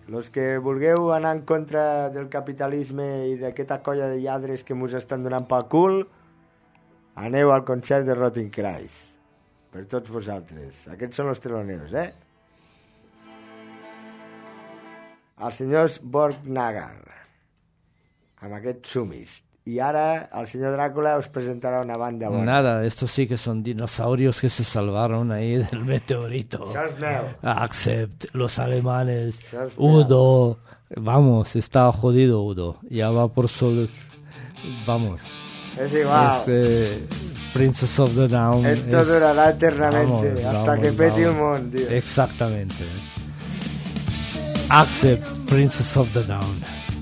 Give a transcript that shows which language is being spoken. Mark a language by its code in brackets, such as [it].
[ca] Los que vulgueu anar en contra del capitalisme i d'aquesta colla de lladres que mos estan donant pel cul, aneu al concert de Rotting Christ. Per tots vosaltres. Aquests són els teloneros, eh? Els senyors Borgnagar, amb aquest sumis. I ara el senyor Dràcula us presentarà una banda bona. [es] Nada, estos sí que son dinosaurios que se salvaron ahí del meteorito. [ca] Això és meu. [es] Accept, los alemanes, Udo. Vamos, está jodido Udo. Ya va por solos. Vamos. [ca] És igual. [es] Es, Princess of the Down. Esto es... durará eternamente, vamos, hasta vamos, que peti vamos. [ca] El món, [es] tío. Exactamente. Accept, Princess of the Down.